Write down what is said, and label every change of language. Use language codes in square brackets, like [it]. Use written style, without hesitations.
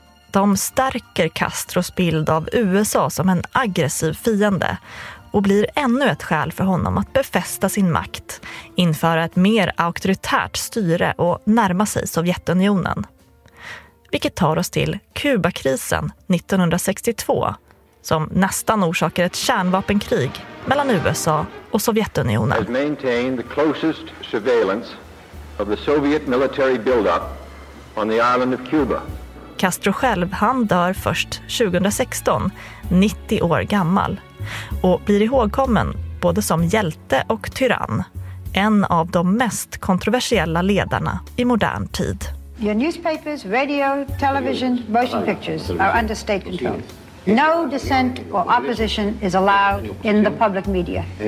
[sv] De stärker Castros bild av USA som en aggressiv fiende och blir ännu ett skäl för honom att befästa sin makt, införa ett mer auktoritärt styre och närma sig Sovjetunionen. Vilket tar oss till Kubakrisen 1962, som nästan orsakar ett kärnvapenkrig mellan USA och Sovjetunionen. [en] Has maintained the closest surveillance of the Soviet military buildup on the island of Cuba. [sv] Castro själv, han dör först 2016, 90 år gammal, och blir ihågkommen både som hjälte och tyrann, en av de mest kontroversiella ledarna i modern tid. [en] Your newspapers, radio, television, motion pictures are under state control. No dissent or opposition is allowed in the public media.